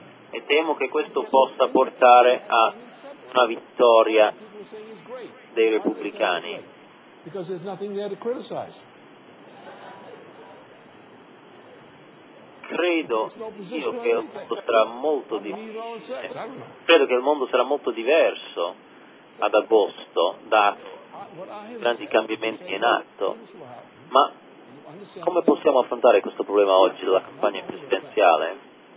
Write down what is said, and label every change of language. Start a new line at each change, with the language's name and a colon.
Italian: E temo che questo possa portare a una vittoria dei repubblicani.
English: Because there's nothing there to criticize.
Italian: Credo io che il mondo sarà molto diverso. Credo che il mondo sarà molto diverso ad agosto, da grandi cambiamenti in atto. Ma come possiamo affrontare questo problema oggi della campagna presidenziale?